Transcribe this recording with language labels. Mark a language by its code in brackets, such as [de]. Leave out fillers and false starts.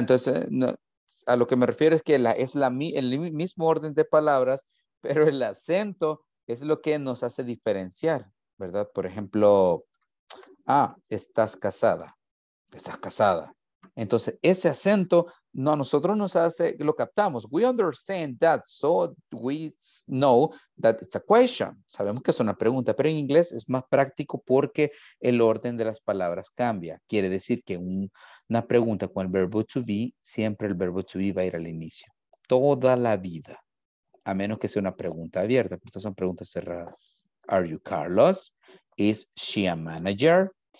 [es] Entonces, no, a lo que me refiero es que es el mismo orden de palabras, pero el acento es lo que nos hace diferenciar, ¿verdad? Por ejemplo, estás casada. Estás casada. Entonces, ese acento no, a nosotros nos hace, lo captamos. [en] We understand that, so we know that it's a question. [es] Sabemos que es una pregunta, pero en inglés es más práctico porque el orden de las palabras cambia. Quiere decir que una pregunta con el verbo to be, siempre el verbo to be va a ir al inicio. Toda la vida. A menos que sea una pregunta abierta. Estas son preguntas cerradas. [en] Are you Carlos? Is she a manager?